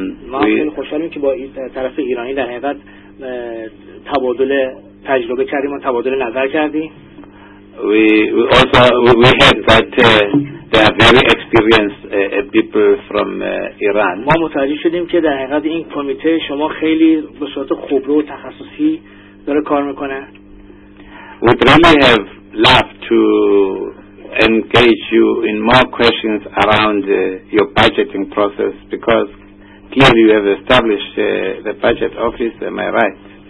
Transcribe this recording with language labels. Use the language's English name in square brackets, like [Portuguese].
[Persian] ما خیلی خوشحالیم که با طرف ایرانی در حقیقت تبادل تجربه کردیم و تبادل نظر کردیم. [English] We heard that they are very experienced people from Iran. [Persian] ما متوجه شدیم که در حقیقت این کمیته شما خیلی به صورت خبره و تخصصی داره کار میکنه. [English] We'd really have loved to engage you in more questions around your budgeting process because clearly you have established the budget office, am I right?